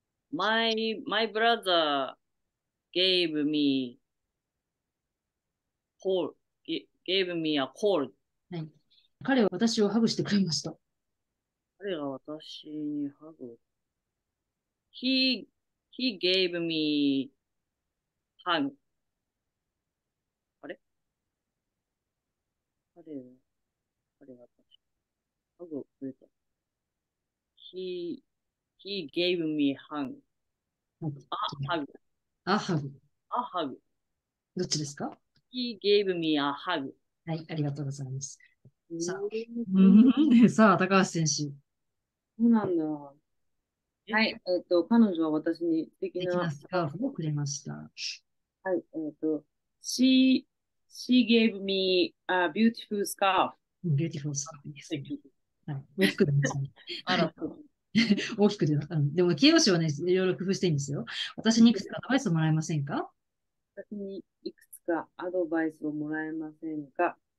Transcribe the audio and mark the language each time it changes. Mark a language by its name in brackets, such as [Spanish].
[English] My brother gave me call, gave me a call. [Japanese] 彼は私をハグしてくれました。彼が私にハグ。 [English] He gave me hug. [Japanese] あれ、私。ハグをくれた。 [English] He gave me hug. [Japanese] あ、ハグ。 [English] A hug. [Japanese] どっちですか？は [English] He gave me a hug. [Japanese] い、ありがとうございます。そさあ、うん、さあ、高橋選手。うなんだ。はい、彼女は私に素敵素敵な、なスカーフをくれました。はい、 [English] she gave me a beautiful scarf. [Japanese] ビューティフルスカーフですね。素敵。はい、大きく出ますね。あら。大きく出ます。でも、形容詞はね、いろいろ工夫していいんですよ。私にいくつかアドバイスをもらえませんか？私にいくつかアドバイスをもらえませんか？